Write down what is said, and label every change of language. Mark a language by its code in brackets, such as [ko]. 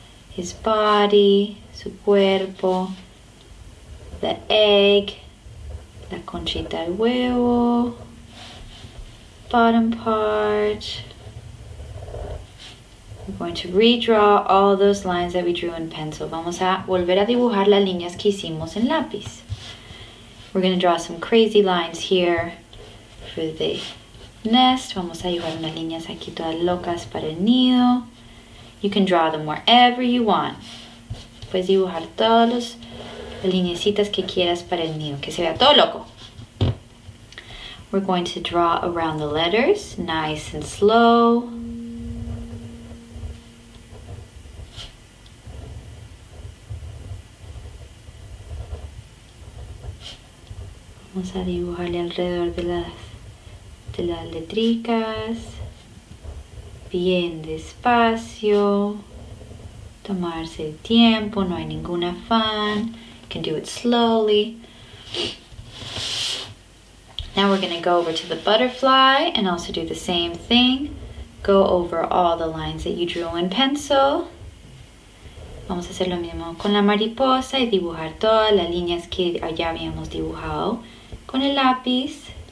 [en] His body, [es] su cuerpo. [en] The egg, [es] la conchita de huevo. [en] Bottom part. We're going to redraw all those lines that we drew in pencil. [es] Vamos a volver a dibujar las líneas que hicimos en lápiz. [en] We're going to draw some crazy lines here. For the nest, [es] vamos a dibujar unas líneas aquí todas locas para el nido. [en] You can draw them wherever you want. [es] Puedes dibujar todas las linecitas que quieras para el nido, que se vea todo loco. [en] We're going to draw around the letters, nice and slow. [es] Vamos a dibujarle alrededor de las letricas, bien despacio, tomarse el tiempo, no hay ningún afán, [en] you can do it slowly. Now we're going to go over to the butterfly and also do the same thing, go over all the lines that you drew in pencil. [es] Vamos a hacer lo mismo con la mariposa y dibujar todas las líneas que ya habíamos dibujado con el lápiz.